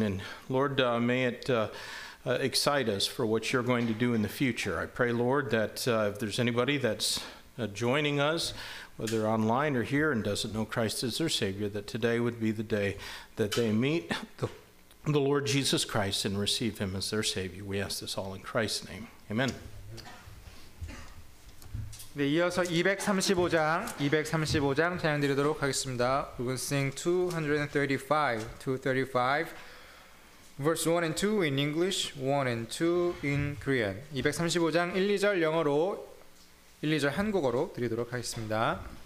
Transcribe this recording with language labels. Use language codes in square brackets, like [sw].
[en] And Lord, may it excite us for what you're going to do in the future. I pray, Lord, that if there's anybody that's joining us, whether online or here, and doesn't know Christ as their Savior, that today would be the day that they meet the Lord Jesus Christ and receive him as their Savior. We ask this all in Christ's name. Amen. [ko] 네, 이어서 235장 찬양드리도록 하겠습니다. [en] We're going to sing 235, verse 1 and 2 in English, 1 and 2 in Korean. [ko] 235장 1, 2절 영어로 1, 2절 한국어로 드리도록 하겠습니다.